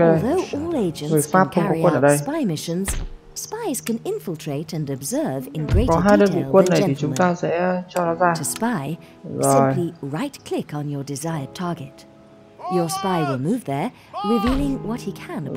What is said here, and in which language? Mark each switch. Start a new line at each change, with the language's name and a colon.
English: Although all agents
Vietnamese: người Pháp
English: can carry out spy missions, spies can infiltrate and observe in greater detail.
Vietnamese: Có hai đơn vị quân này thì chúng ta sẽ cho nó ra.
English: To spy, simply right click on your desired target. Your spy will move there, revealing what he can about.